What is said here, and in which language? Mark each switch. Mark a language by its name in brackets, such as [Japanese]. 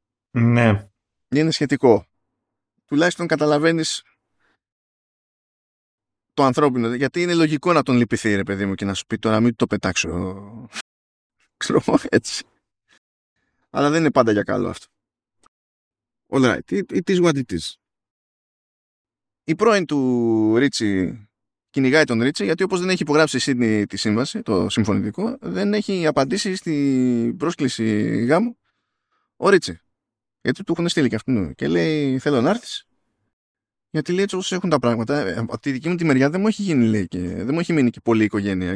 [Greek] Ναι. Είναι σχετικό. Τουλάχιστον καταλαβαίνεις το ανθρώπινο, γιατί είναι λογικό να τον λυπηθεί, ρε παιδί μου, και να σου πει τώρα μην το πετάξω. Ξέρω, έτσι. Αλλά δεν είναι πάντα για καλό αυτό. [English] All right, it is what it is. [Greek] Η πρώην του Ρίτσι κυνηγάει τον Ρίτσι, γιατί όπως δεν έχει υπογράψει η Σίδνη τη σύμβαση, το συμφωνητικό, δεν έχει απαντήσει στη πρόσκληση γάμου ο Ρίτσι. Γιατί του έχουν στείλει και αυτήν. Και λέει, θέλω να έρθεις. Γιατί λέει, έτσι όπως έχουν τα πράγματα, από τη δική μου τη μεριά δεν μου έχει γίνει, λέει, και δεν μου έχει μείνει και πολύ οικογένεια.